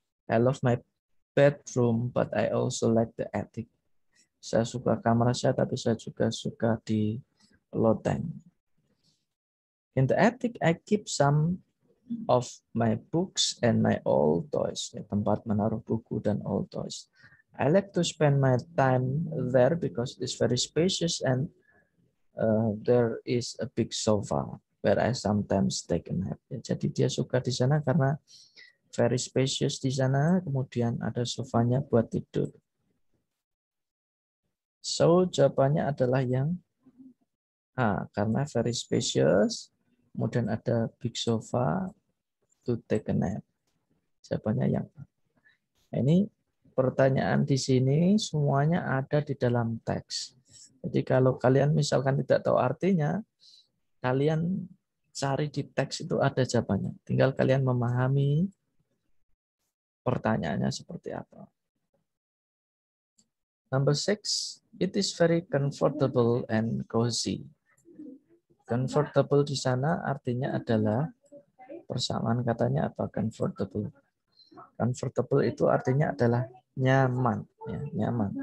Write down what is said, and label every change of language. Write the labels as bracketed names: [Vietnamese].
[English] I love my bedroom, but I also like the attic. [Indonesian] Saya suka kamar saya, tapi saya juga suka di loteng. [English] In the attic, I keep some of my books and my old toys. [Indonesian] Tempat menaruh buku dan [English] old toys. I like to spend my time there because it's very spacious and there is a big sofa where I sometimes take a nap. [Indonesian] Jadi dia suka di sana karena [English] very spacious [Indonesian] di sana, kemudian ada sofanya buat tidur. So, jawabannya adalah yang A, karena [English] very spacious, [Indonesian] kemudian ada [English] big sofa to take a nap. [Indonesian] Jawabannya yang A. Ini pertanyaan di sini semuanya ada di dalam teks. Jadi kalau kalian misalkan tidak tahu artinya, kalian cari di teks itu ada jawabannya. Tinggal kalian memahami pertanyaannya seperti apa. [English] Number six, it is very comfortable and cozy. [Indonesian] Comfortable di sana artinya adalah persamaan katanya apa? Comfortable. Comfortable itu artinya adalah nyaman, ya, nyaman.